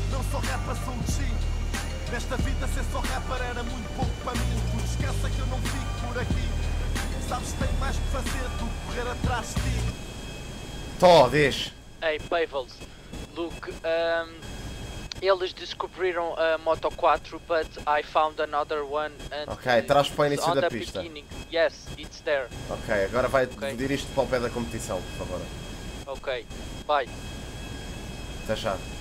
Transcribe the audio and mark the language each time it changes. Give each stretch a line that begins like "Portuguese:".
Portuguese: Sou rapper, sou um chico. Nesta vida ser só rapper era muito pouco para mim. Por esqueça que eu não fico por aqui. Sabes que tenho mais que fazer do que correr atrás de ti. Tó, diz. Ei, Pavels.
English: Look,
Portuguese: eles descobriram a Moto 4,
English: but I found another one. And
Portuguese: ok, traz para o início da pista.
English: Beginning. Yes, it's there.
Portuguese: Ok, agora vai pedir isto para o pé da competição, por favor. Ok, vai. Até já.